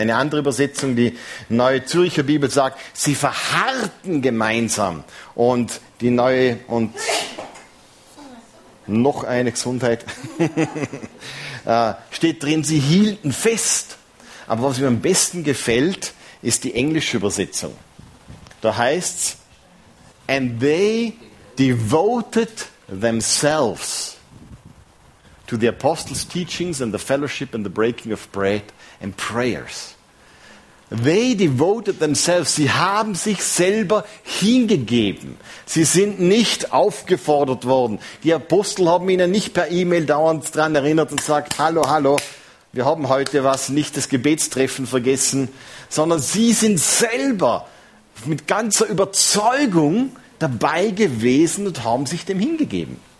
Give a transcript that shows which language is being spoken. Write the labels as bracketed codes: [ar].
[de] Eine andere Übersetzung, die Neue Zürcher Bibel, sagt, sie verharrten gemeinsam. Und die neue und noch eine Gesundheit steht drin, sie hielten fest. Aber was mir am besten gefällt, ist die englische Übersetzung. Da heißt es, [en] and they devoted themselves to the apostles' teachings and the fellowship and the breaking of bread and prayers. They devoted themselves. [de] Sie haben sich selber hingegeben. Sie sind nicht aufgefordert worden. Die Apostel haben ihnen nicht per E-Mail dauernd daran erinnert und gesagt, hallo, hallo, wir haben heute was, nicht das Gebetstreffen vergessen, sondern sie sind selber mit ganzer Überzeugung dabei gewesen und haben sich dem hingegeben.